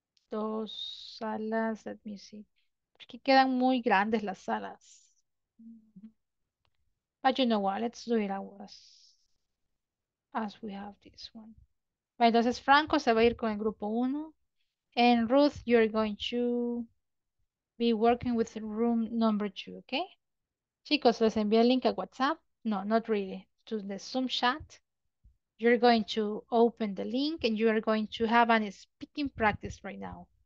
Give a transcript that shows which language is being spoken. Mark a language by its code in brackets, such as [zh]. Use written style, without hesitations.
[en] Let me see. [es] Porque quedan muy grandes las salas. [en] But you know what? Let's do it as we have this one. [es] Bueno, entonces Franco se va a ir con el grupo 1. [en] And Ruth, you're going to be working with room number 2, okay? [es] Chicos, les envié el link a WhatsApp. No, [en] not really. To the Zoom chat. You're going to open the link and you are going to have a speaking practice right now.